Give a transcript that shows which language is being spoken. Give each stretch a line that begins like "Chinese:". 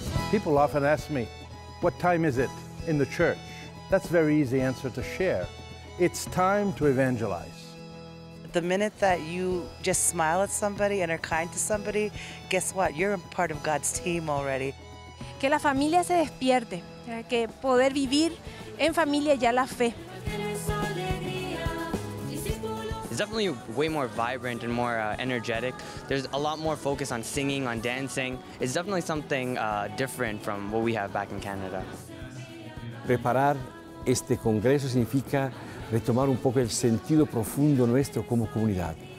English: People often ask me, what time is it in the church? That's a very easy answer to share. It's time to evangelize. The minute that you just smile at somebody and are kind to somebody, guess what? You're part of God's team already.
Spanish: Que la familia se despierte, que poder vivir en familia ya la fe.
English: It's definitely way more vibrant and more energetic. There's a lot more focus on singing, on dancing. It's definitely something different from what we have back in Canada.
Spanish: Preparar este congreso significa retomar un poco el sentido profundo nuestro como comunidad.